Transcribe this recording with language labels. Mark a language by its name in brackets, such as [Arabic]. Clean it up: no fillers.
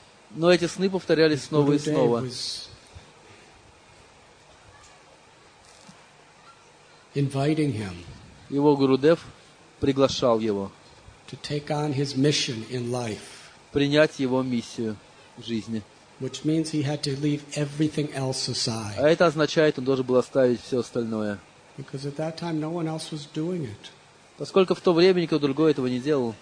[Russian] Но эти сны повторялись снова и снова. Его Гурудев приглашал его принять его миссию в жизни. [English] Which means he had to leave everything else aside. [Russian] А это означает, он должен был оставить все остальное. [English] Because at that time no one else was doing it. [Russian] Поскольку в то время никто другой этого не делал.